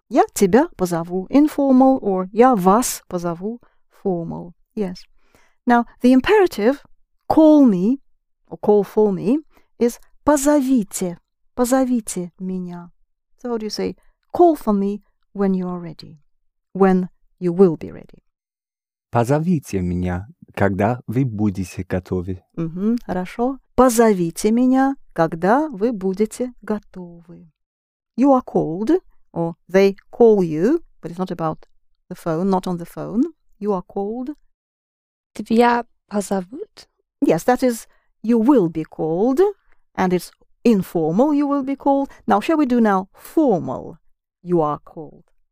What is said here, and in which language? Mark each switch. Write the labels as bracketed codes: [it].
[ru] Я тебя позову. [en] Informal, or [ru] я вас позову. [en] Formal. Yes. Now, the imperative, call me, or call for me, is позовите. [ru] Позовите меня. [en] So how do you say, call for me when you are ready. When you will be ready. [ru] Позовите меня, когда вы будете готовы. Хорошо. Позовите меня, когда вы будете готовы. [en] You are called, or they call you, but it's not about the phone, not on the phone. You are called. [ru] Тебя позовут? [en] Yes, that is, you will be called, and it's informal, you will be called. Now, shall we do now formal, you are called?